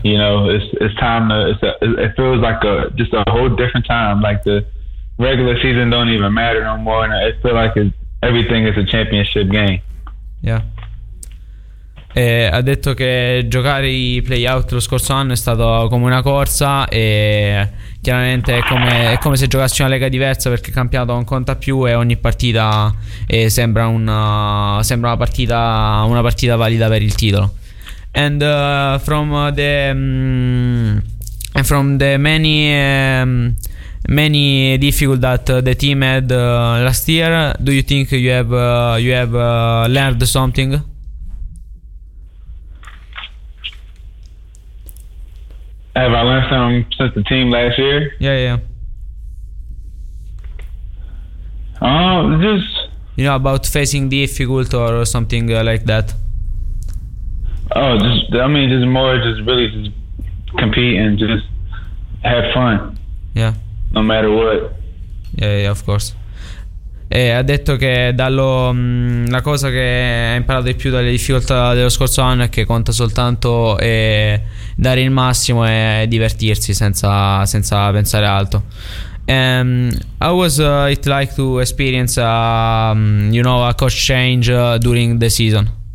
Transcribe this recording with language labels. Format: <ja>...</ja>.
<en>you know, it feels like just a whole different time. Like the regular season don't even matter no more, and I feel like everything is a championship game. Yeah.</en> <it>Ha detto che giocare i playout lo scorso anno è stato come una corsa, e chiaramente è come se giocassi una lega diversa, perché il campionato non conta più e ogni partita sembra una partita valida per il titolo.</it> <en>And from the many difficult that the team had last year, do you think you have learned something? Have I learned something since the team last year? Yeah. Just you know, about facing difficult or something like that? Oh, just, I mean, just more, just really just compete and just have fun. Yeah. No matter what. Yeah, yeah, of course.</en> <it>E ha detto che dallo la cosa che ha imparato di più dalle difficoltà dello scorso anno è che conta soltanto dare il massimo e divertirsi senza pensare altro.</it> <en>How was it like to experience you know, a coach change during the season?</en>